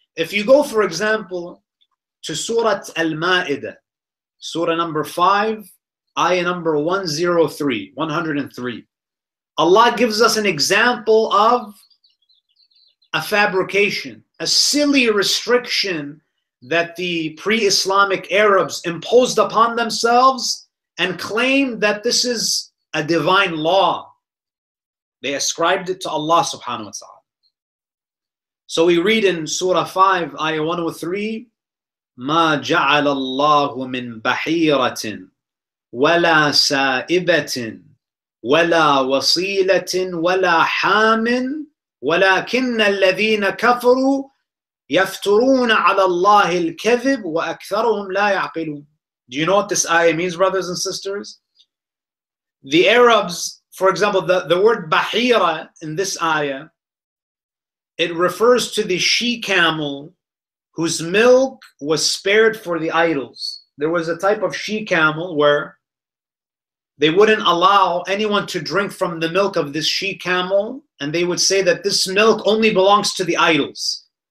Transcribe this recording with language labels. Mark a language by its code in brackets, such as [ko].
[en] If you go, for example, to Surah Al-Ma'idah, Surah number 5, ayah number 103, Allah gives us an example of a fabrication, a silly restriction that the pre-Islamic Arabs imposed upon themselves and claimed that this is a divine law. They ascribed it to Allah subhanahu wa ta'ala. So we read in Surah 5, ayah 103, [ar] مَا جَعَلَ اللَّهُ مِنْ بَحِيرَةٍ وَلَا سَائِبَةٍ وَلَا وَصِيلَةٍ وَلَا حَامٍ وَلَكِنَّ الَّذِينَ كَفَرُوا يَفْتُرُونَ عَلَى اللَّهِ الْكَذِبُ وَأَكْثَرُهُمْ لَا يَعْقِلُونَ. [en] Do you know what this ayah means, brothers and sisters? The Arabs, for example, the word bahira in this ayah, it refers to the she-camel whose milk was spared for the idols. There was a type of she-camel where they wouldn't allow anyone to drink from the milk of this she-camel, and they would say that this milk only belongs to the idols.